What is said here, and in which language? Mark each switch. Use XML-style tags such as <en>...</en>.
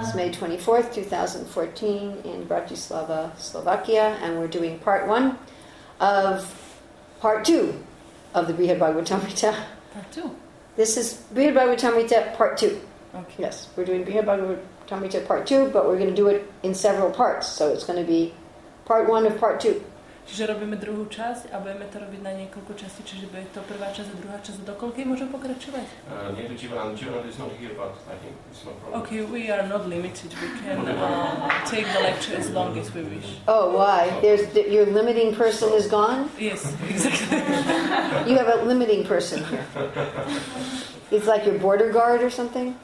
<en>It's May 24th, 2014 in Bratislava, Slovakia, and we're doing part one of part two of the Brihadbhagavatamrita. Part two? This is Brihadbhagavatamrita part two. Okay. Yes, we're doing Brihadbhagavatamrita part two, but we're going to do it in several parts, so it's going to be part one of part two.</en> <sk>Čiže robíme druhú časť a budeme to robiť na niekoľko častí, čiže bude to prvá časť a druhá časť. Dokoľkej môžem pokračovať? Nie, to či vám, či vám, to je</sk> <en>to, okay, we are not limited. We can take the lecture as long as we wish. Oh, why? There's your limiting person is gone? Yes, exactly. You have a limiting person here. It's like your border guard or something?</en>